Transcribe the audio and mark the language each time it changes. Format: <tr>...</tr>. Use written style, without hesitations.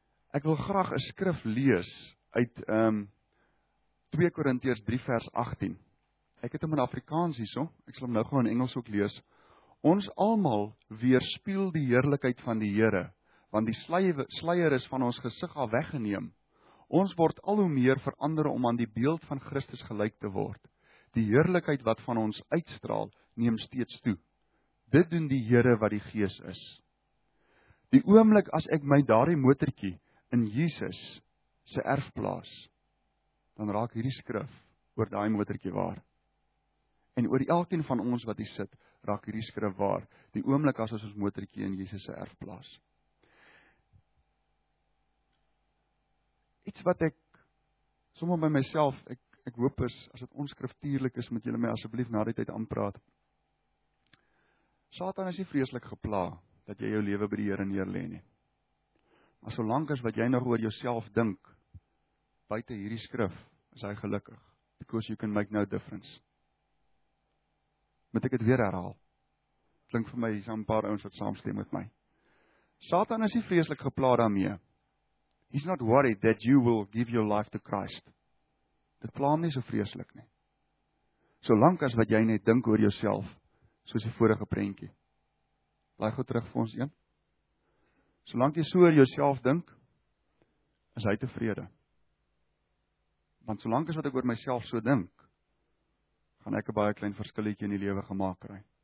<af>Ek wil graag 'n skrif lees uit 2 Korintiërs 3 vers 18. Ek het hom in Afrikaans hierso, ek sal hom nou gewoon in Engels ook lees. Ons almal weerspieël die heerlikheid van die Here. Want die sluier is van ons gesig al weggeneem, Ons word al hoe meer verander om aan die beeld van Christus gelyk te word. Die heerlikheid wat van ons uitstraal, neem steeds toe. Dit doen die Here wat die Gees is. Die oomblik as ek my daardie motortjie in Jesus se erf plaas, dan raak hierdie skrif oor daai motortjie waar. En oor elkeen van ons wat hier sit, raak hierdie skrif waar. Die oomblik as ons motortjie in Jesus se erf plaas. Iets wat ek sommer by myself, ek hoop is, as dit onskriftuurlik is, moet julle my asseblief na die tyd aanpraat. Satan is nie vreeslik gepla dat jy jou lewe by die Here neerlê nie. Maar solank as wat jy nog oor jouself dink buite hierdie skrif, is hy gelukkig.</af> <en>Because you can make no difference.</en> <af>Moet ek dit weer herhaal? Klink vir my, hier is 'n paar ouens wat saamstem met my. Satan is nie vreeslik gepla daarmee.</af> <en>He's not worried that you will give your life to Christ.</en> <af>Dit pla hom nie so vreeslik nie. Solank as wat jy net dink oor jouself, soos die vorige prentjie. Laai goed terug vir ons een. Solank jy so oor jouself dink, is hy tevrede. Want solank as wat ek oor myself so dink, gaan ek 'n baie klein verskilletjie in die lewe gemaak kry.</af>